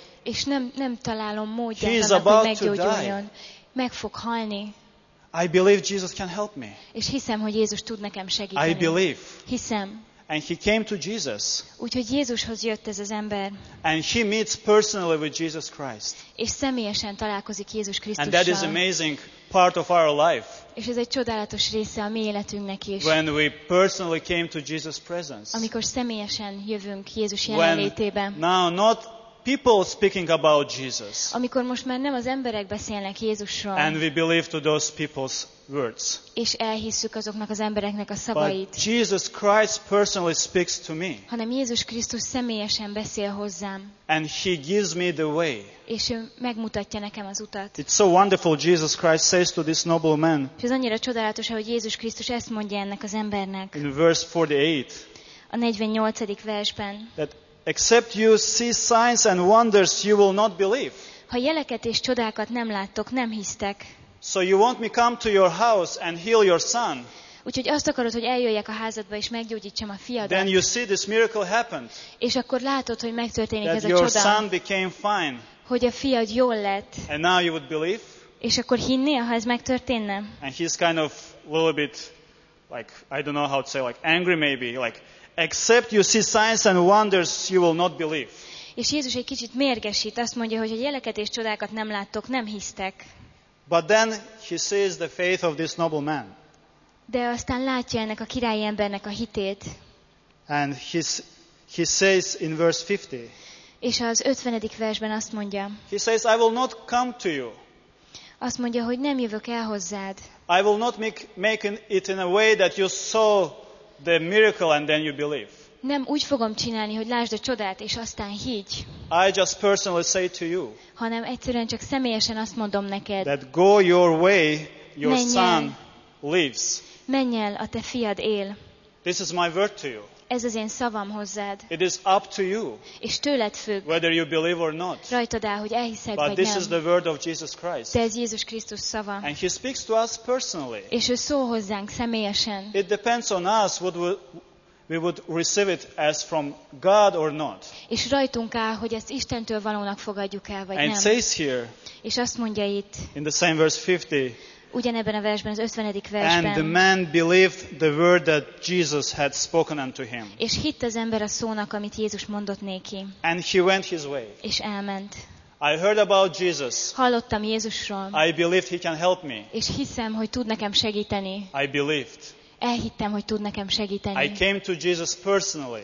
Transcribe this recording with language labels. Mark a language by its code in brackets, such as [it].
[hu] És nem találom módját, [en] he is about [hu] hogy meggyógyuljon. Meg fog halni. [en] I believe Jesus can help me. [hu] És hiszem, hogy Jézus tud nekem segíteni. [en] I believe. [hu] Hiszem. [en] And he came to Jesus. [hu] Úgyhogy Jézushoz jött ez az ember. [en] And he meets personally with Jesus Christ. [hu] És személyesen találkozik Jézus Krisztussal. [en] And that is amazing part of our life. [hu] És ez egy csodálatos része a mi életünknek is. [en] When we personally came to Jesus' presence. [hu] Amikor személyesen jövünk Jézus jelenlétébe. [en] Now not people speaking about Jesus. [hu] Amikor most már nem az emberek beszélnek Jézusról. [en] And we believe to those people's words. [hu] És elhisszük azoknak az embereknek a szavait. [en] But Jesus Christ personally speaks to me. [hu] Hanem Jézus Krisztus személyesen beszél hozzám. [en] And he gives me the way. [hu] És ő megmutatja nekem az utat. [en] It's so wonderful Jesus Christ says to this noble man. [hu] És ez annyira csodálatos, hogy Jézus Krisztus ezt mondja ennek az embernek. [en] In verse 48. [hu] A 48. versben. [en] Except you see signs and wonders, you will not believe. [hu] Ha jeleket és csodákat nem láttok, nem hisztek. [en] So you want me come to your house and heal your son? [hu] Úgyhogy azt akarod, hogy eljöjjek a házadba és meggyógyítsam a fiadat? [en] Then you see this miracle happened. [hu] És akkor látod, hogy megtörténik ez a csoda. [en] Your son became fine. [hu] Hogy a fiad jól lett. [en] And now you would believe? [hu] És akkor hinnél, ha ez megtörténne? [en] And he's kind of a little bit, like I don't know how to say, like angry maybe, like. Except you see signs and wonders, you will not believe. [hu] És Jézus egy kicsit mérgesít, azt mondja, hogy a jeleket és csodákat nem láttok, nem hisztek. [en] But then he sees the faith of this noble man. [hu] De aztán látja ennek a királyi embernek a hitét. [en] And he says in verse 50. [hu] És az 50. versben azt mondja. [en] He says, I will not come to you. [hu] Azt mondja, hogy nem jövök el hozzád. [en] I will not make it in a way that you saw the miracle and then you believe. [hu] Nem úgy fogom csinálni, hogy lásd a csodát és aztán higgy. [en] I just personally say to you. [hu] Hanem egyszerűen csak személyesen azt mondom neked. [en] That go your way, your [hu] menj el, [en] son lives. [hu] Menj el, a te fiad él. [en] This is my word to you. [hu] ez az én szavam hozzád. [en] It is up to you. [hu] És tőled függ. [en] Whether you believe or not. [hu] Rajtad áll, hogy elhiszed vagy nem. [en] This is the word of Jesus Christ. [hu] De ez Jézus Krisztus szava. [en] And he speaks to us personally. [hu] És ő szól hozzánk személyesen. [en] It depends on us what we would receive it as from God or not. [hu] És rajtunk áll, hogy ezt Istentől valónak fogadjuk el vagy [en] and [hu] nem. [en] And says here. [hu] És azt mondja itt. [en] In the same verse 50. [hu] Ugyanebben a versben, az 50. versben. [en] And the man believed the word that Jesus had spoken unto him. [hu] És hitt az ember a szónak, amit Jézus mondott neki. [en] And he went his way. [hu] És elment. [en] I heard about Jesus. [hu] Hallottam Jézusról. [en] I believed he can help me. [hu] És hiszem, hogy tud nekem segíteni. [en] I believed. [hu] Elhittem, hogy tud nekem segíteni. [en] I came to Jesus personally.